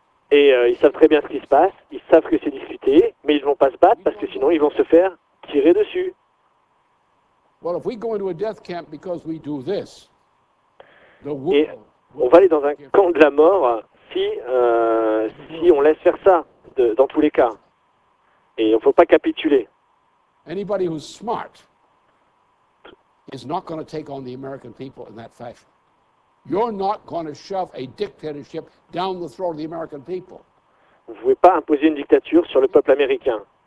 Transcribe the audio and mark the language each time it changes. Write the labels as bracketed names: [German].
[French] Et ils savent très bien ce qui se passe, ils savent que c'est discuté, mais ils ne vont pas se battre parce que sinon ils vont se faire tirer dessus. Et on va aller dans un camp de la mort si on laisse faire ça, dans tous les cas. Et il ne faut pas capituler. [English] Anybody who's smart is not going to take on the American people in that fashion. You're not going to shove a dictatorship down the throat of the American people. [French] Vous ne pouvez pas imposer une dictature sur le peuple américain.